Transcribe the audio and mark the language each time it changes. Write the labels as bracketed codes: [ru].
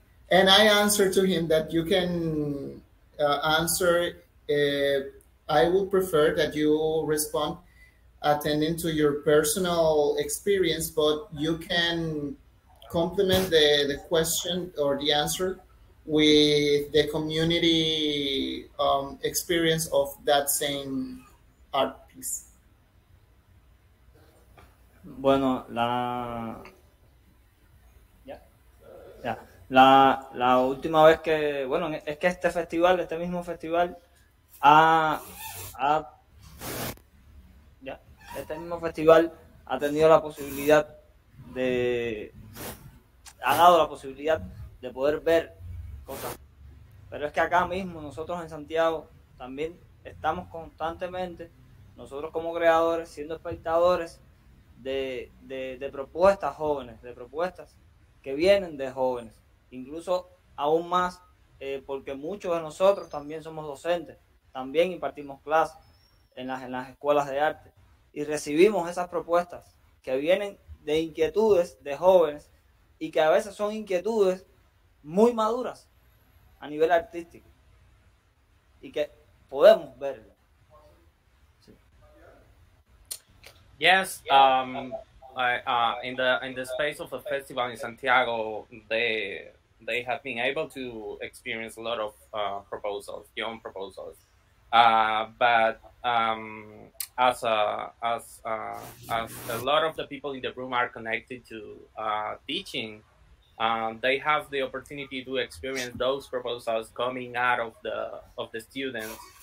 [en] And I answer to him that you can answer I would prefer that you respond attending to your personal experience, but you can complement the question or the answer with the community experience of that same art piece. [es] Bueno, la última vez que, bueno, es que este festival, este mismo festival, este mismo festival ha tenido la posibilidad de ha dado la posibilidad de poder ver cosas, pero es que acá mismo nosotros en Santiago también estamos constantemente nosotros como creadores siendo espectadores de propuestas jóvenes, de propuestas que vienen de jóvenes, incluso aún más porque muchos de nosotros también somos docentes, también impartimos clases en las escuelas de arte y recibimos esas propuestas que vienen de inquietudes de jóvenes y que a veces son inquietudes muy maduras a nivel artístico y que podemos verlo. Sí. [en] Yes, in the space of a festival in Santiago, they have been able to experience a lot of proposals, young proposals. As a lot of the people in the room are connected to teaching, they have the opportunity to experience those proposals coming out of the students.